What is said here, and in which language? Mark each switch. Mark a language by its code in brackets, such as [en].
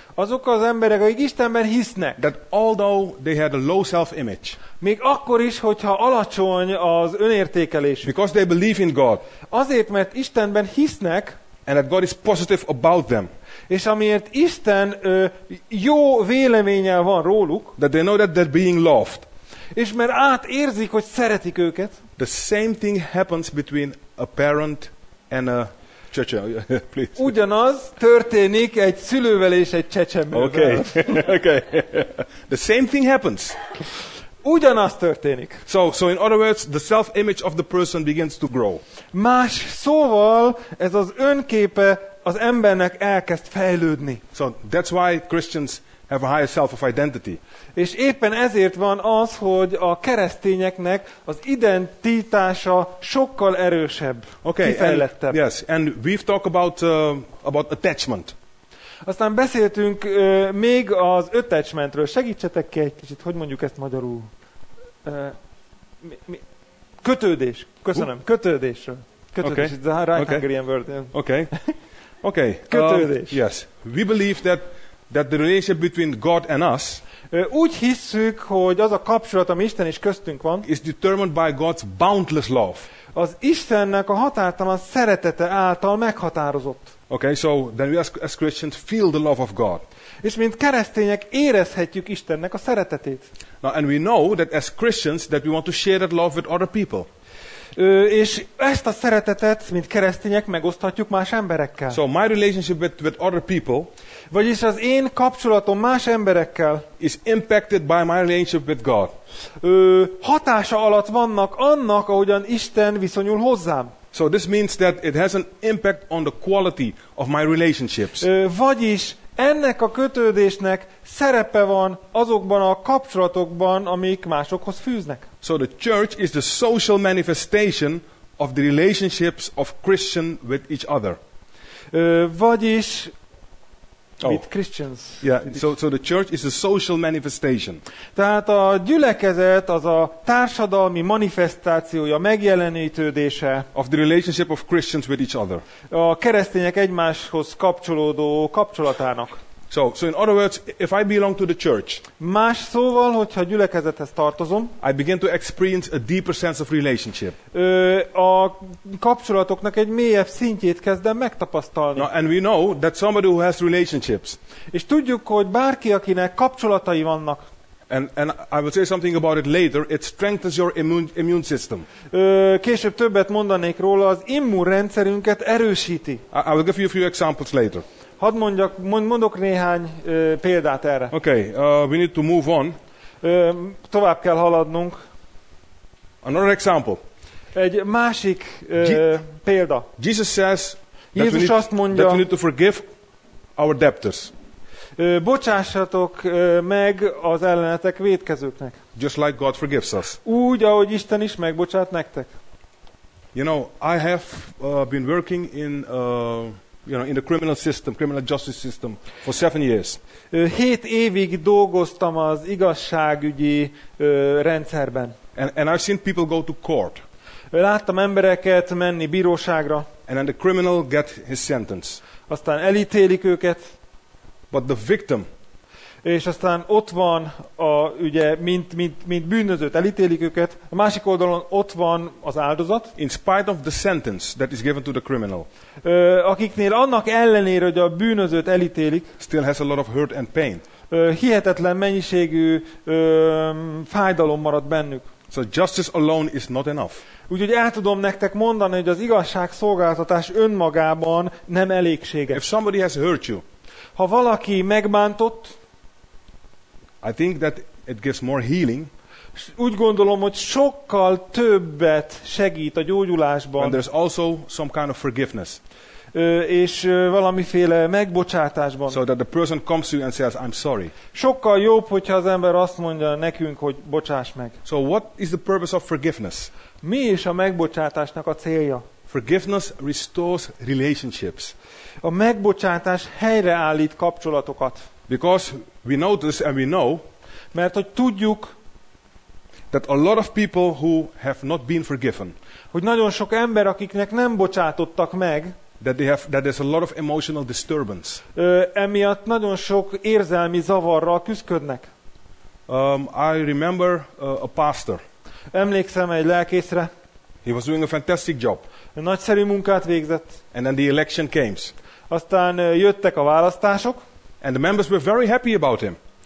[hu] azok az emberek, akik Istenben hisznek, [en] that although they had a low self-image, [hu] még akkor is, hogyha alacsony az önértékelés, [en] because they believe in God, [hu] azért, mert Istenben hisznek, [en] and that God is positive about them. [hu] És amiért Isten jó véleménnyel van róluk, [en] that they know that they're being loved. [hu] És mert átérzik, hogy szeretik őket. [en] The same thing happens between a parent and a csecsemő. Please. [hu] Ugyanaz történik egy szülővel és egy csecsemővel. [en] Okay. Okay. The same thing happens. [hu] Ugyanaz történik. [en] So in other words, the self-image of the person begins to grow. [hu] Más szóval, ez az önképe az embernek elkezd fejlődni. [en] So that's why Christians have a higher self of identity. [hu] És éppen ezért van az, hogy a keresztényeknek az identitása sokkal erősebb, [en] okay, [hu] kifejlettebb. [en] And, yes, and we've talked about attachment. [hu] Aztán beszéltünk még az attachmentről. Segítsetek ki egy kicsit, hogy mondjuk ezt magyarul. Kötődés. Köszönöm. Kötődésről. Kötődés. [en] Okay. It's a right Hungarian word. Okay. Okay. [hu] Kötődés. [en] Yes. We believe that the relationship between God and us, [hu] úgy hiszük, hogy az a kapcsolat, ami Isten és köztünk van, [en] is determined by God's boundless love. [hu] Az Istennek a határtalan szeretete által meghatározott. [en] Okay, so then we as Christians feel the love of God. [hu] És mint keresztények érezhetjük Istennek a szeretetét. [en] Now, and we know that as Christians that we want to share that love with other people. [hu] És ezt a szeretetet, mint keresztények, megoszthatjuk más emberekkel. [en] So my relationship with other people, [hu] vagyis az én kapcsolatom más emberekkel, [en] is impacted by my relationship with God. [hu] Hatása alatt vannak annak, ahogyan Isten viszonyul hozzám. [en] So this means that it has an impact on the quality of my relationships. [hu] Vagyis ennek a kötődésnek szerepe van azokban a kapcsolatokban, amik másokhoz fűznek. [en] So the church is the social manifestation of the relationships of Christian with each other. Vagyis with Christians. Yeah, so the church is a social manifestation. [hu] Tehát a gyülekezet az a társadalmi manifestációja, megjelenítődése [en] of the relationship of Christians with each other. [hu] A keresztények egymáshoz kapcsolódó kapcsolatának. [en] So in other words, if I belong to the church, [hu] más szóval, hogyha gyülekezethez tartozom, [en] I begin to experience a deeper sense of relationship. [hu] A kapcsolatoknak egy mélyebb szintjét kezdem megtapasztalni. [en] Now, and we know that somebody who has relationships, [hu] és tudjuk, hogy bárki, akinek kapcsolatai vannak, [en] And I will say something about it later, it strengthens your immune system. [hu] Később többet mondanék róla, az immunrendszerünket erősíti. [en] I will give you a few examples later. [hu] Hadd mondjak, mondok néhány példát erre. [en] Okay, we need to move on. [hu] Tovább kell haladnunk. [en] Another example. [hu] Egy másik példa. [en] Jesus says [hu] Jézus azt mondja, [en] that we need to forgive our debtors. [hu] Bocsássatok meg az ellenetek vétkezőknek. [en] Just like God forgives us. [hu] Úgy, ahogy Isten is megbocsát nektek. [en] You know, I have been working in in the criminal justice system for 7 years. [hu] 7 évig dolgoztam az igazságügyi rendszerben. [en] And I've seen people go to court. [hu] Láttam embereket menni bíróságra. [en] And then the criminal get his sentence. [hu] Aztán elítélik őket. [en] But the victim. [hu] És aztán ott van a ugye mint bűnözőt elítélik őket. A másik oldalon ott van az áldozat. [en] In spite of the sentence that is given to the criminal. [hu] Akiknél annak ellenére, hogy a bűnözőt elítélik, [en] still has a lot of hurt and pain. [hu] Hihetetlen mennyiségű fájdalom maradt bennük. [en] So justice alone is not enough. [hu] Úgyhogy el tudom nektek mondani, hogy az igazságszolgáltatás önmagában nem elégséges. [en] If somebody has hurt you, [hu] ha valaki megbántott, [en] I think that it gives more healing. [hu] úgy gondolom, hogy sokkal többet segít a gyógyulásban. [en] And there's also some kind of forgiveness. [hu] És valamiféle megbocsátásban. [en] So that the person comes to you and says, I'm sorry. [hu] Sokkal jobb, hogyha az ember azt mondja nekünk, hogy bocsáss meg. [en] So what is the purpose of forgiveness? [hu] Mi is a megbocsátásnak a célja? [en] Forgiveness restores relationships. [hu] A megbocsátás helyreállít kapcsolatokat. [en] Because we know this and we know, [hu] mert hogy tudjuk, [en] that a lot of people who have not been forgiven, [hu] hogy nagyon sok ember, akiknek nem bocsátottak meg, [en] that there's a lot of emotional disturbance. [hu] Emiatt nagyon sok érzelmi zavarral küzdködnek. [en] I remember a pastor. [hu] Emlékszem egy lelkészre. [en] He was doing a fantastic job. [hu] Nagyszerű munkát végzett. [en] And then the election came. [hu] Aztán jöttek a választások. [en] And the members were very happy about him.